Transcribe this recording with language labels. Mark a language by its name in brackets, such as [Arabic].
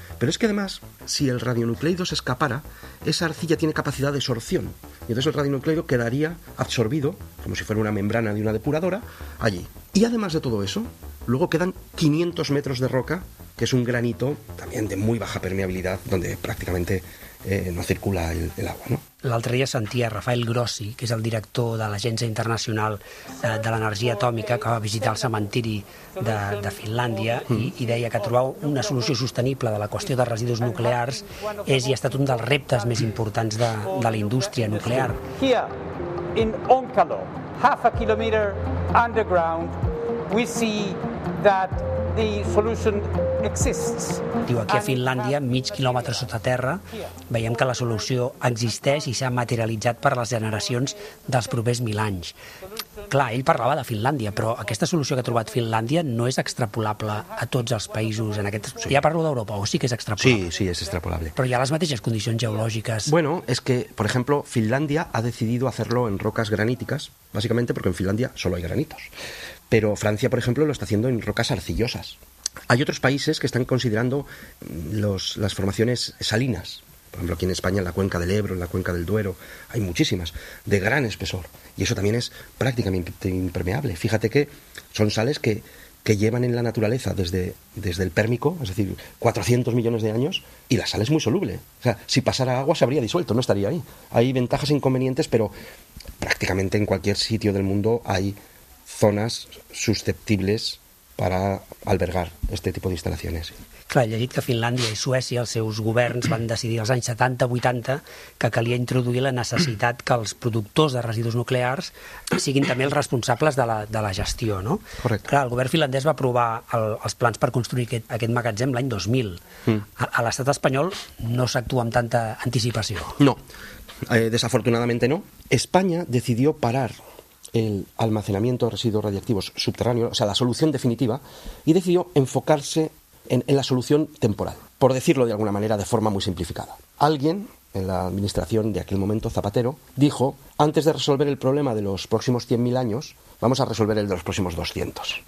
[Spanish] Pero es que además, si el radionucleido se escapara, esa arcilla tiene capacidad de sorción, y entonces el radionucleido quedaría absorbido, como si fuera una membrana de una depuradora, allí. Y además de todo eso, luego quedan 500 metros de roca, que es un granito también de muy baja permeabilidad, donde prácticamente no circula el agua, ¿no? [Catalan] L'altre dia sentia Rafael Grossi, que és el director de l'Agència Internacional de l'Energia Atòmica, que va visitar el cementiri de Finlàndia i deia que trobar una solució sostenible de la qüestió de residus nuclears és i ha estat un dels reptes més importants de la indústria nuclear. [English] Here, in Onkalo, half a kilometer underground, we see that the solution exists. [Catalan] Diu, aquí a Finlàndia, mig quilòmetre sota terra, veiem que la solució existeix i s'ha materialitzat per a les generacions dels propers 1000 anys. Clar, ell parlava de Finlàndia, però aquesta solució que ha trobat Finlàndia no és extrapolable a tots els països en aquest... Sí. Ja parlo d'Europa, o sí que és extrapolable? Sí, sí, és extrapolable. Però hi ha les mateixes condicions geològiques? [Spanish] Bueno, es que, por ejemplo, Finlàndia ha decidido hacerlo en rocas granítiques, básicamente porque en Finlàndia solo hay granitos. Pero Francia, por ejemplo, lo está haciendo en rocas arcillosas. Hay otros países que están considerando las formaciones salinas. Por ejemplo, aquí en España, en la cuenca del Ebro, en la cuenca del Duero, hay muchísimas, de gran espesor. Y eso también es prácticamente impermeable. Fíjate que son sales que que llevan en la naturaleza desde el pérmico, es decir, 400 millones de años, y la sal es muy soluble. O sea, si pasara agua se habría disuelto, no estaría ahí. Hay ventajas e inconvenientes, pero prácticamente en cualquier sitio del mundo hay zonas susceptibles para albergar este tipo d'instal·lacions. [Catalan] Clar, he llegit que Finlàndia i Suècia, els seus governs, van decidir als anys 70-80 que calia introduir la necessitat que els productors de residus nuclears siguin també els responsables de la gestió, no? Correcte. Clar, el govern finlandès va aprovar els plans per construir aquest magatzem l'any 2000. A l'estat espanyol no s'actua amb tanta anticipació. [Spanish] No, desafortunadamente no. Espanya decidió parar el almacenamiento de residuos radiactivos subterráneos, o sea, la solución definitiva, y decidió enfocarse en la solución temporal, por decirlo de alguna manera, de forma muy simplificada. Alguien en la administración de aquel momento, Zapatero, dijo, antes de resolver el problema de los próximos 100.000 años, vamos a resolver el de los próximos 200.